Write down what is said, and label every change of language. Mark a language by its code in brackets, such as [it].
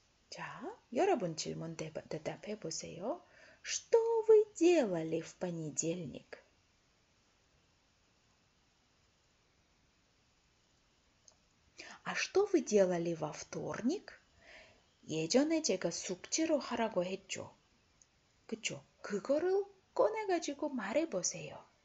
[ko] 자, 여러분 질문 대답해 보세요. [ru] Что вы делали в понедельник? [ko] 아, [ru] что вы делали во вторник? [ko] 예전에 제가 숙제로 하라고 했죠. 그쵸? 그거를 꺼내가지고 말해보세요.